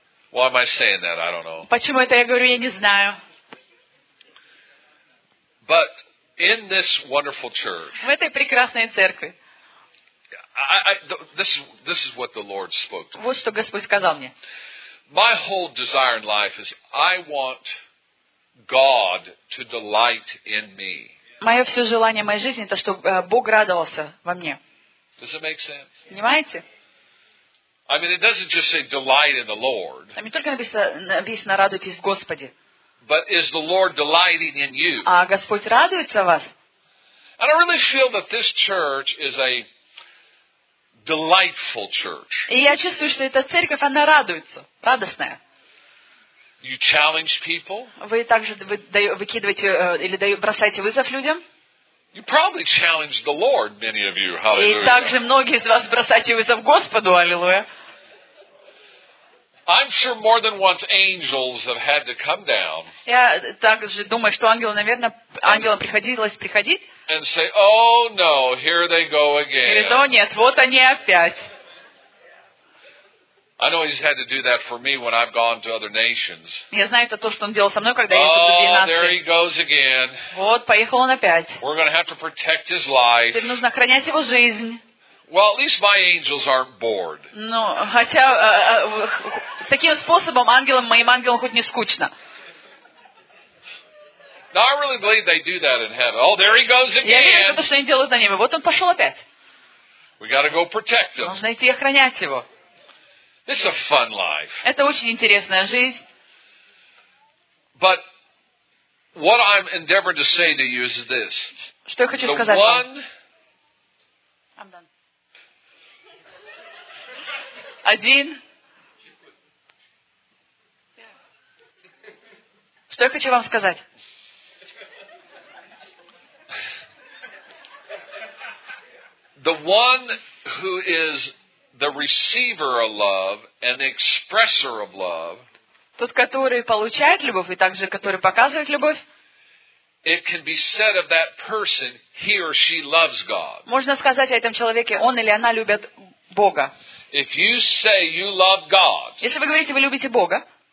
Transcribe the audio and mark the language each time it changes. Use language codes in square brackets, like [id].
[en] Why am I saying that? I don't know. [ru] Почему это я говорю, я не знаю. [en] But in this wonderful church. [ru] В этой прекрасной церкви. [en] This is what the Lord spoke to me. [ru] Вот что Господь сказал мне. [en] My whole desire in life is I want God to delight in me. [ru] Мое все желание моей жизни это чтобы Бог радовался во мне. [en] Does it make sense? [ru] Понимаете? [en] I mean, it doesn't just say delight in the Lord. [ru] Там не только написано радуйтесь в Господе. [en] But is the Lord delighting in you? [ru] А Господь радуется вас? [en] And I really feel that this church is a delightful church. [ru] И я чувствую, что эта церковь, она радуется, радостная. [en] You challenge people? [ru] Вы также выкидываете или бросаете вызов людям? [en] You probably challenge the Lord, many of you. Hallelujah. [ru] И также многие из вас бросаете вызов Господу. Аллилуйя. [en] I'm sure more than once angels have had to come down. [ru] Я также думаю, что ангелы, наверное, ангелам приходилось приходить. [en] And say, "Oh no, here they go again." [ru] Говорит, о нет, вот они опять. [en] I know he's had to do that for me when I've gone to other nations. [ru] Я знаю, это то, что он делал со мной, когда я ездил в другие нации. [en] Oh, there he goes again. [ru] Вот поехал он опять. [en] We're going to have to protect his life. [ru] Теперь нужно охранять его жизнь. [en] Well, at least my angels aren't bored. [ru] Ну, хотя таким способом ангелам, моим ангелам хоть не скучно. [en] Now, I really believe they do that in heaven. Oh, there he goes again. [ru] Я верю в то, что они делают на небе. Вот он пошел опять. [en] We got to go protect him. [ru] Нужно идти охранять его. [en] It's a fun life. [ru] Это очень интересная жизнь. [en] But what I'm endeavoring to say to you is this. [ru] Что я хочу сказать вам? Один. Что я хочу вам сказать? [en] The one who is the receiver of love and expresser of love. [ru] Тот, который получает любовь и также который показывает любовь. [en] It can be said of that person, he or she loves God. [ru] Можно сказать о этом человеке, он или она любит Бога. [en] If you say you love God, [ru] если вы говорите, вы любите Бога,